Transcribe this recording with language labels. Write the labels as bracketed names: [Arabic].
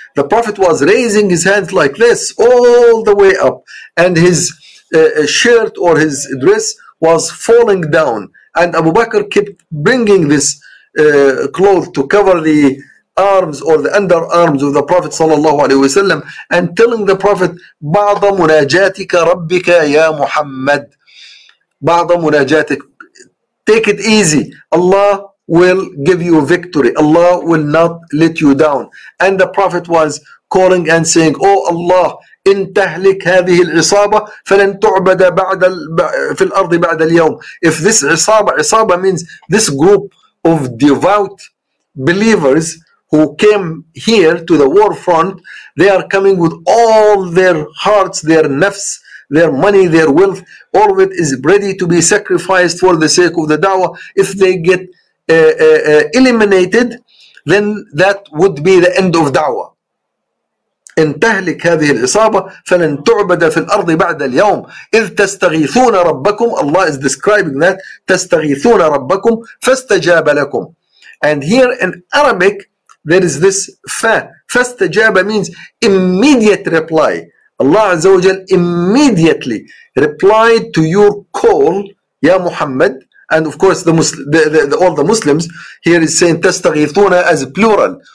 [English] The Prophet was raising his hands like this all the way up, and his shirt or his dress was falling down, and Abu Bakr kept bringing this cloth to cover the arms or the underarms of the Prophet sallallahu alaihi wasallam, and telling the Prophet, [Arabic] بعض مناجاتك ربك يا محمد, بعض مناجاتك, [English] take it easy, Allah will give you victory, Allah will not let you down. And the Prophet was calling and saying, oh Allah, [Arabic] إن تهلك هذه العصابة فلن تعبد بعد في الأرض بعد اليوم. [English] If this عصابة means this group of devout believers who came here to the war front, they are coming with all their hearts, their nafs, their money, their wealth, all of it is ready to be sacrificed for the sake of the da'wah. If they get eliminated, then that would be the end of da'wah. [Arabic] إن تهلك هذه العصابة فلن تعبد في الأرض بعد اليوم إذ تستغيثون ربكم. [English] Allah is describing that [Arabic] تستغيثون ربكم فاستجاب لكم. [English] And here in Arabic there is this fa. فاستجاب means immediate reply. Allah عز وجل immediately replied to your call, [Arabic] يا محمد. [English] And of course all the Muslims here is saying تستغيثون as plural.